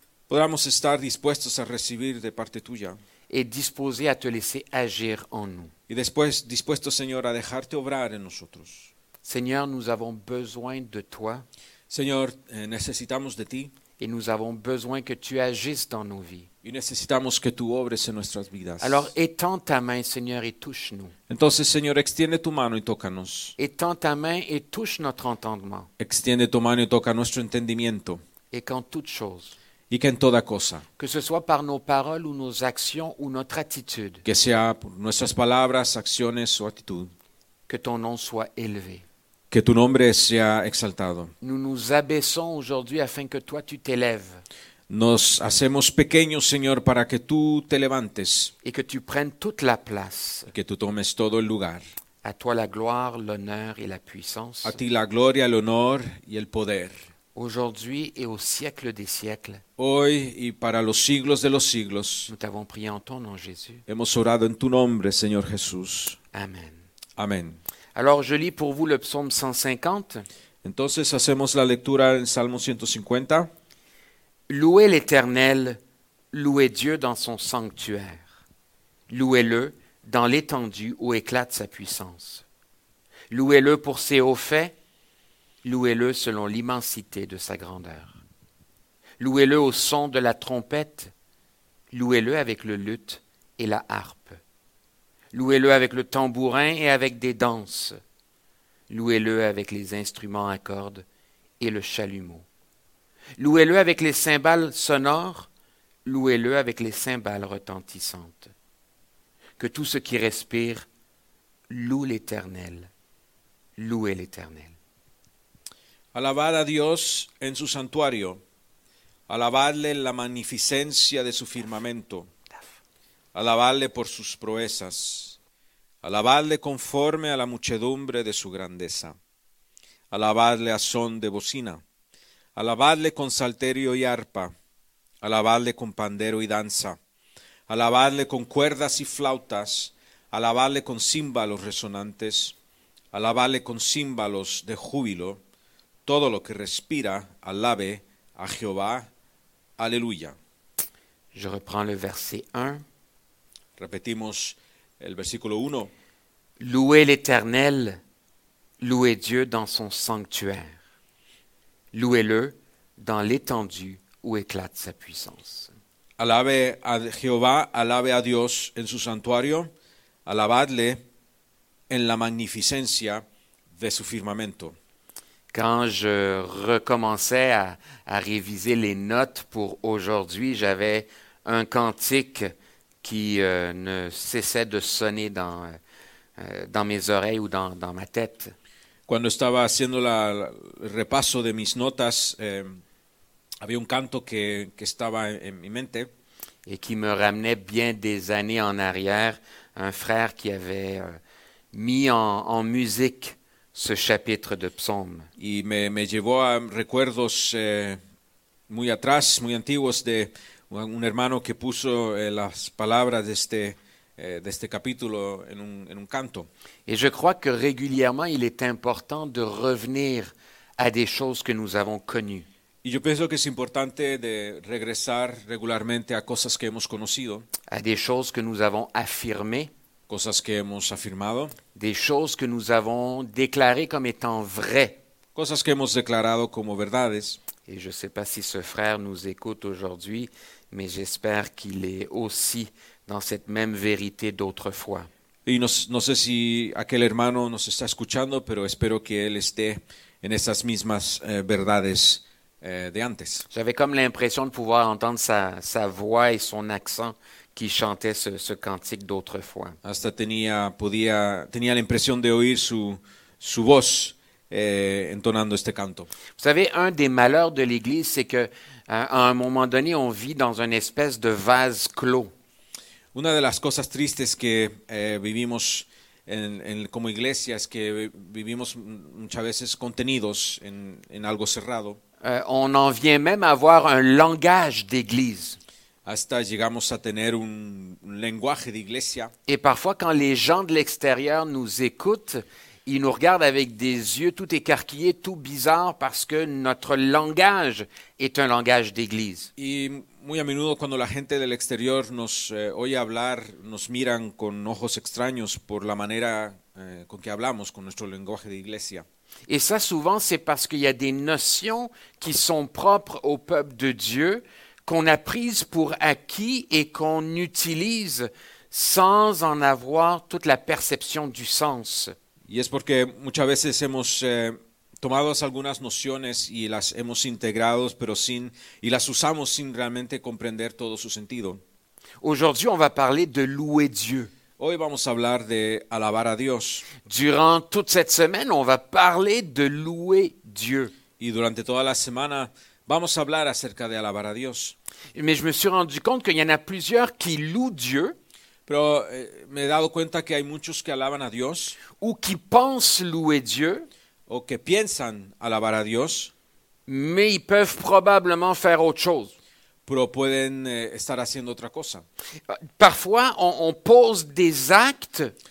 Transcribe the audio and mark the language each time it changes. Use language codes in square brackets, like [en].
[es] Podamos estar dispuestos a recibir de parte tuya. [fr] Et disposés à te laisser agir en nous. [es] Y después dispuestos, Señor, a dejarte obrar en nosotros. [fr] Seigneur, nous avons besoin de toi. [es] Señor, necesitamos de ti. [fr] Et nous avons besoin que tu agisses dans nos vies. [es] Y necesitamos que tú obres en nuestras vidas. [fr] Alors étends ta main, Seigneur, et touche-nous. [es] Entonces, Señor, extiende tu mano y tócanos. [fr] Étends ta main et touche notre entendement. [es] Extiende tu mano y toca nuestro entendimiento. [fr] Et qu'en toute chose. [es] Y que en toda cosa. [fr] Que ce soit par nos paroles ou nos actions ou notre attitude. [es] Que sea por nuestras palabras, acciones o actitud. [fr] Que ton nom soit élevé. [es] Que tu nombre sea exaltado. [fr] Nous nous abaissons aujourd'hui afin que toi tu t'élèves. [es] Nos hacemos pequeños, Señor, para que tú te levantes. [fr] Et que tu prennes toute la place. [es] Y que tú tomes todo el lugar. [fr] A toi la gloire, l'honneur et la puissance. [es] A ti la gloria, el honor y el poder. [fr] Aujourd'hui et au siècle des siècles. [es] Hoy y para los siglos de los siglos. [fr] Nous t'avons prié en ton nom, Jésus. [es] Hemos orado en tu nombre, Señor Jesús. [fr] Amen. [es] Amen. [fr] Alors je lis pour vous le psaume 150. [es] Entonces hacemos la lectura del Salmo 150. [fr] Louez l'Éternel, louez Dieu dans son sanctuaire. Louez-le dans l'étendue où éclate sa puissance. Louez-le pour ses hauts faits, louez-le selon l'immensité de sa grandeur. Louez-le au son de la trompette, louez-le avec le luth et la harpe. Louez-le avec le tambourin et avec des danses. Louez-le avec les instruments à cordes et le chalumeau. Louez-le avec les cymbales sonores, louez-le avec les cymbales retentissantes. Que tout ce qui respire loue l'Éternel. Louez l'Éternel. [es] Alabad a Dios en su santuario. Alabadle en la magnificencia de su firmamento. Alabadle por sus proezas. Alabadle conforme a la muchedumbre de su grandeza. Alabadle a son de bocina. Alabadle con salterio y arpa. Alabadle con pandero y danza. Alabadle con cuerdas y flautas. Alabadle con címbalos resonantes. Alabadle con címbalos de júbilo. Todo lo que respira, alabe a Jehová. Aleluya. [fr] Je reprends le verset 1. [es] Repetimos el versículo 1. [fr] Louez l'Éternel, louez Dieu dans son sanctuaire. Louez-le dans l'étendue où éclate sa puissance. [es] Alabe a Jehová, alabe a Dios en su santuario, alabadle en la magnificencia de su firmamento. [fr] Quand je recommençais à réviser les notes pour aujourd'hui, j'avais un cantique qui ne cessait de sonner dans mes oreilles ou dans ma tête. [es] Cuando estaba haciendo el repaso de mis notas, había un canto que estaba en mi mente. [fr] Et qui me ramenait bien des années en arrière, un frère qui avait mis en musique ce chapitre de psaume. [es] Y me llevó a recuerdos muy atrás, muy antiguos, de un hermano que puso las palabras de este capítulo en un canto. [fr] Et je crois que régulièrement, il est important de revenir à des choses que nous avons connues. [es] Y yo pienso que es importante de regresar regularmente a cosas que hemos conocido. [fr] A des choses que nous avons affirmées. [es] Cosas que hemos afirmado. [fr] Des choses que nous avons déclarées comme étant vraies. [es] Cosas que hemos declarado como verdades. [fr] Et je ne sais pas si ce frère nous écoute aujourd'hui, mais j'espère qu'il est aussi dans cette même vérité d'autrefois. [es] Y no sé si aquel hermano nos está escuchando, pero espero que él esté en esas mismas verdades de antes. [fr] J'avais comme l'impression de pouvoir entendre sa voix et son accent qui chantait ce cantique d'autrefois. [es] Hasta tenía [fr] l'impression [es] de oír su voz entonando este canto. [fr] Vous savez, un des malheurs de l'Église, c'est que à un moment donné, on vit dans une espèce de vase clos. [es] Una de las cosas tristes que vivimos en como iglesia es que vivimos muchas veces contenidos en algo cerrado. [fr] On en vient même à avoir un langage d'église. [es] Hasta llegamos a tener un lenguaje de iglesia. [fr] Et parfois, quand les gens de l'extérieur nous écoutent, ils nous regardent avec des yeux tout écarquillés, tout bizarres, parce que notre langage est un langage d'église. [es] Y muy a menudo cuando la gente del exterior nos oye hablar, nos miran con ojos extraños por la manera con que hablamos, con nuestro lenguaje de iglesia. [fr] Et ça, souvent, c'est parce qu'il y a des notions qui sont propres au peuple de Dieu qu'on a prises pour acquis et qu'on utilise sans en avoir toute la perception du sens. [es] Y es porque muchas veces hemos tomado algunas nociones y las hemos integrado, pero las usamos sin realmente comprender todo su sentido. [fr] Aujourd'hui, on va parler de louer Dieu. [es] Hoy vamos a hablar de alabar a Dios. [fr] Durant toute cette semaine, on va parler de louer Dieu. [es] Y durante toda la semana vamos a hablar acerca de alabar a Dios. [fr] Mais je me suis rendu compte qu'il y en a plusieurs qui louent Dieu. [es] Pero me he dado cuenta que hay muchos que alaban a Dios. [fr] Ou qui pensent louer Dieu. [es] O que piensan alabar a Dios. [fr] Mais ils peuvent probablement faire autre chose. [es] Pero pueden estar haciendo otra cosa. [fr] Parfois, on pose des actes.